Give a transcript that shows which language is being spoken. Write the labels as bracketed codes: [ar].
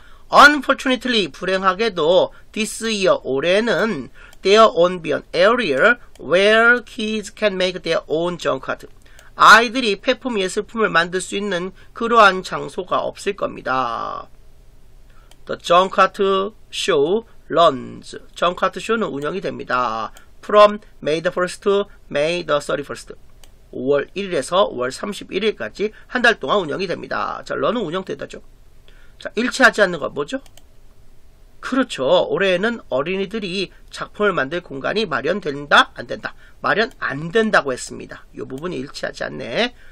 [en] Unfortunately, [ko] 불행하게도 [en] this year, [ko] 올해는 [en] there won't be an area where kids can make their own junk art. [ko] 아이들이 폐품 예술품을 만들 수 있는 그러한 장소가 없을 겁니다. [en] The junk art show runs. Junk art show는 [ko] 운영이 됩니다. [en] From May the 1st to May the 31st. [ko] 5월 1일에서 5월 31일까지 한 달 동안 운영이 됩니다. 자, 런은 운영되다죠. 자, 일치하지 않는 건 뭐죠? 그렇죠. 올해에는 어린이들이 작품을 만들 공간이 마련된다? 안 된다? 마련 안 된다고 했습니다. 이 부분이 일치하지 않네.